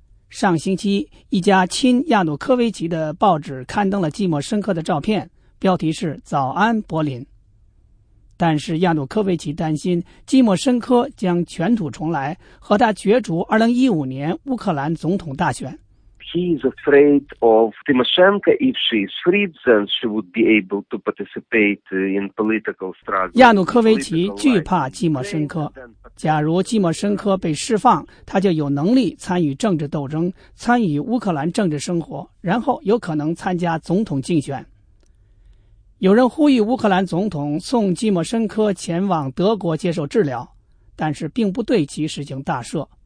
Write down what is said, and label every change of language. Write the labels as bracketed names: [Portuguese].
[Chinese] 上星期，一家亲亚努科维奇的报纸刊登了季莫申科的照片，标题是“早安，柏林”。但是亚努科维奇担心季莫申科将卷土重来，和他角逐2015年乌克兰总统大选。 [English] He is afraid of Tymoshenko. If she is freed, then she would be able to participate in political struggle. [Chinese] 亚努科维奇惧怕季莫申科。假如季莫申科被释放，他就有能力参与政治斗争，参与乌克兰政治生活，然后有可能参加总统竞选。有人呼吁乌克兰总统送季莫申科前往德国接受治疗，但是并不对其实行大赦。